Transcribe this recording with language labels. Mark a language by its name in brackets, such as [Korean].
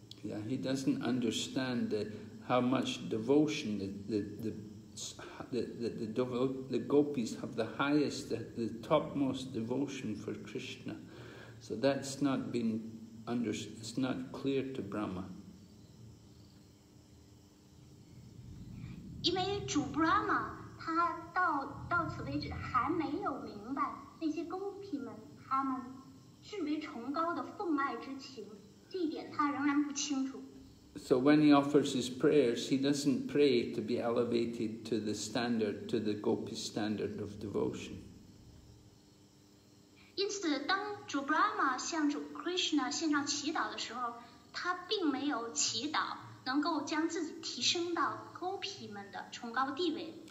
[English] Yeah, he doesn't understand how much devotion the gopis have the highest, the topmost devotion for Krishna. So that's not been understood, it's not clear to Brahma. [Chinese] 因为主 Brahma 他到此为止还没有明白那些公平们他们至为崇高的奉爱之情，这一点他仍然不清楚。 [English] So when he offers his prayers, he doesn't pray to be elevated to the standard, to the gopi standard of devotion. [Chinese] 因此，当主 Brahma 向主 Krishna 献上祈祷的时候，他并没有祈祷能够将自己提升到Gopi 们的崇高地位。